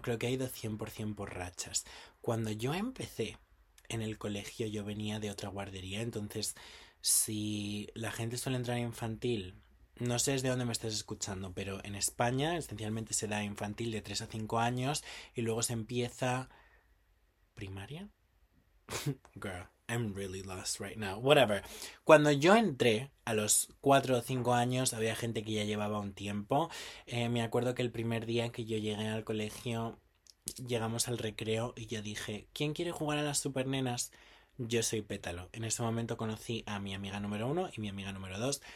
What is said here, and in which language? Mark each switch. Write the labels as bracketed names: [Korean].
[Spanish] Creo que ha ido 100% por rachas. Cuando yo empecé en el colegio, yo venía de otra guardería, entonces si la gente suele entrar a infantil, no sé desde dónde me estás escuchando, pero en España esencialmente se da infantil de 3 a 5 años y luego se empieza primaria. [English] Girl, I'm really lost right now. Whatever. [Spanish] Cuando yo entré a los 4 o 5 años había gente que ya llevaba un tiempo. Me acuerdo que el primer día que yo llegué al colegio, llegamos al recreo y yo dije, ¿quién quiere jugar a las supernenas? Yo soy Pétalo. En ese momento conocí a mi amiga número uno y mi amiga número dos.